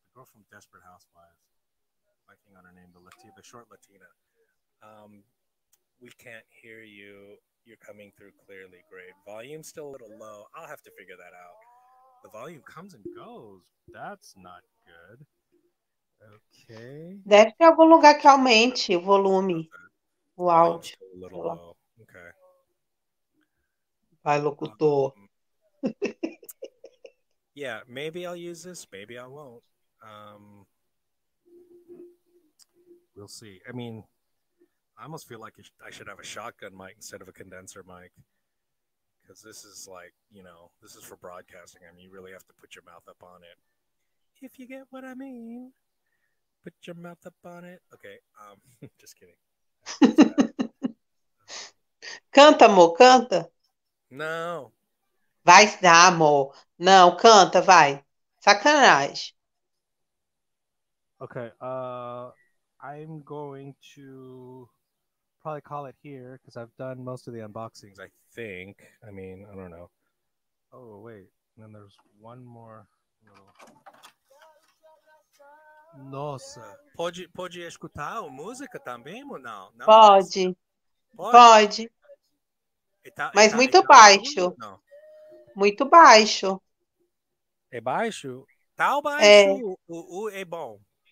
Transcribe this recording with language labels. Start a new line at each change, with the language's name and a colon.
English: Girl from Desperate Housewives, liking on her name, the short Latina. We can't hear you. You're coming through clearly. Great. Volume's still a little low. I'll have to figure that out. The volume comes and goes. That's not good. Okay.
Portuguese: Deve ter algum lugar que aumente o volume. O áudio.
English: A little low. Okay.
Portuguese: Vai, locutor.
English: Yeah, maybe I'll use this. Maybe I won't. We'll see. I mean, I almost feel like I should have a shotgun mic instead of a condenser mic, because this is like, you know, this is for broadcasting. I mean, you really have to put your mouth up on it, if you get what I mean. Put your mouth up on it. Okay, just kidding.
Portuguese: Canta, amor, canta.
English: No.
Portuguese: Vai dar, amor. Não, canta, vai. Sacanagem.
English: Okay, I'm going to probably call it here because I've done most of the unboxings, I think. I mean, I don't know. Oh, wait. And then there's one more.
Portuguese: Nossa. Pode escutar a música também ou não? Pode. Pode. Mas muito baixo. Muito baixo. É baixo? Tá baixo. O é bom.